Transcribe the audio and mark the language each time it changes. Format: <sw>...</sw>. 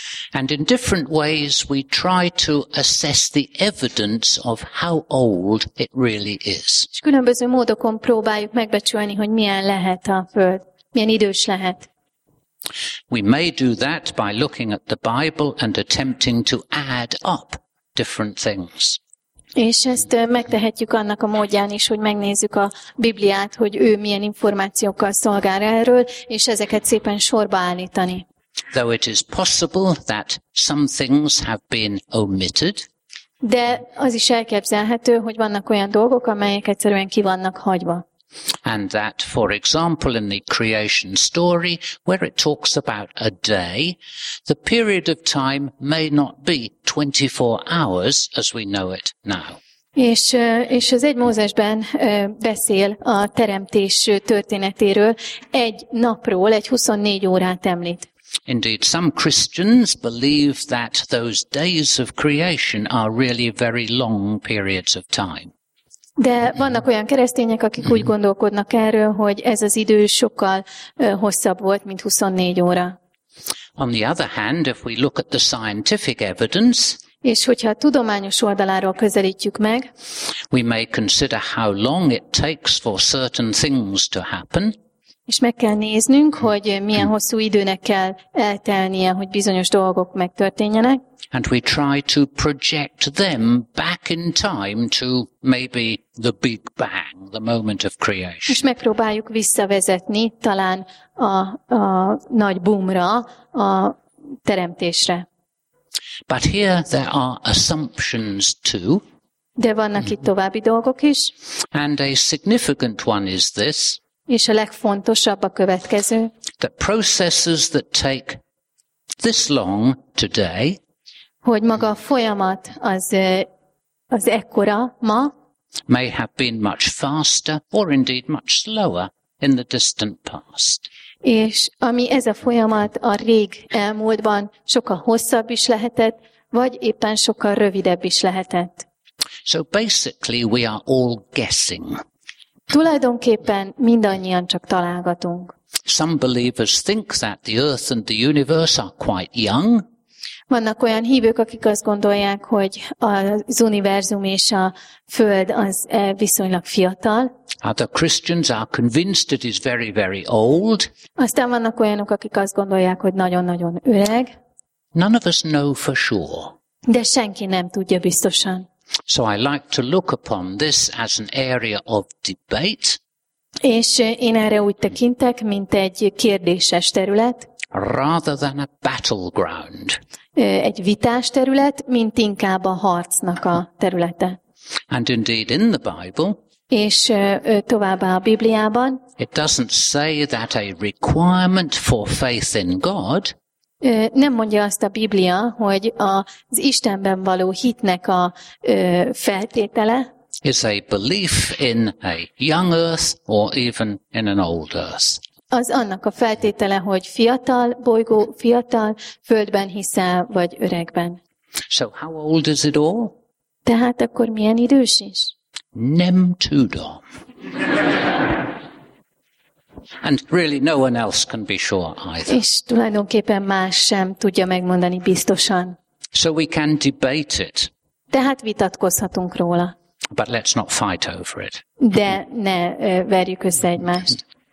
<en>And in different ways we try to assess the evidence of how old it really is.</en> <hu>És különböző módokon próbáljuk megbecsülni, hogy milyen lehet a Föld, milyen idős lehet.</hu> <en>We may do that by looking at the Bible and attempting to add up different things.</en> <hu>És ezt megtehetjük annak a módján is, hogy megnézzük a Bibliát, hogy ő milyen információkkal szolgál erről, és ezeket szépen sorba állítani.</hu> <en>Though it is possible that some things have been omitted.</en> <hu>De az is elképzelhető, hogy vannak olyan dolgok, amelyek egyszerűen ki vannak hagyva.</hu> <en>And that, for example, in the creation story, where it talks about a day, the period of time may not be 24 hours as we know it now.</en> <hu>És az egy Mózesben beszél a teremtés történetéről, egy napról, egy 24 órát említ.</hu> <en>Indeed, some Christians believe that those days of creation are really very long periods of time.</en> <hu>De vannak olyan keresztények, akik úgy gondolkodnak erről, hogy ez az idő sokkal hosszabb volt, mint 24 óra.</hu> <en>On the other hand, if we look at the scientific evidence,</en> <hu>és hogyha a tudományos oldaláról közelítjük meg,</hu> <en>we may consider how long it takes for certain things to happen,</en> <hu>és meg kell néznünk, hogy milyen hosszú időnek kell eltelnie, hogy bizonyos dolgok megtörténjenek.</hu> <en>And we try to project them back in time to maybe the Big Bang, the moment of creation.</en> <hu>És megpróbáljuk visszavezetni talán a nagy boomra, a teremtésre.</hu> <en>But here there are assumptions too.</en> <hu>De vannak itt további dolgok is.</hu> <en>And a significant one is this.</en> <hu>És a legfontosabb a következő.</hu> <en>The processes that take this long today,</en> <hu>hogy maga a folyamat az ekkora ma,</hu> <en>may have been much faster or indeed much slower in the distant past.</en> <hu>És ami ez a folyamat a rég elmúltban sokkal hosszabb is lehetett, vagy éppen sokkal rövidebb is lehetett.</hu> <en>So basically we are all guessing.</en> <hu>Tulajdonképpen mindannyian csak találgatunk.</hu> <en>Some believers think that the earth and the universe are quite young.</en> <hu>Vannak olyan hívők, akik azt gondolják, hogy az univerzum és a Föld az viszonylag fiatal.</hu> <en>Other Christians are convinced it is very, very old.</en> <hu>Aztán vannak olyanok, akik azt gondolják, hogy nagyon-nagyon öreg.</hu> <en>None of us know for sure.</en> <hu>De senki nem tudja biztosan.</hu> <en>So I like to look upon this as an area of debate.</en> <hu>És én erre úgy tekintek, mint egy kérdéses terület.</hu> <en>Rather than a battleground.</en> <hu>Egy vitás terület, mint inkább a harcnak a területe.</hu> <en>And indeed in the Bible.</en> <hu>És továbbá a Bibliában.</hu> <en>It doesn't say that a requirement for faith in God.</en> <hu>Nem mondja azt a Biblia, hogy az Istenben való hitnek a feltétele.</hu> <en>Is a belief in a young earth or even in an old earth.</en> <hu>Az annak a feltétele, hogy fiatal bolygó, fiatal földben hiszel, vagy öregben.</hu> <en>So how old is it all?</en> <hu>Tehát akkor milyen idős is? Nem tudom.</hu> <en>And really no one else can be sure either.</en> <hu>És tulajdonképpen más sem tudja megmondani biztosan.</hu> <en>So we can debate it.</en> <hu>Tehát vitatkozhatunk róla.</hu> <en>But let's not fight over it.</en> <hu>De ne verjük össze egymást.</hu>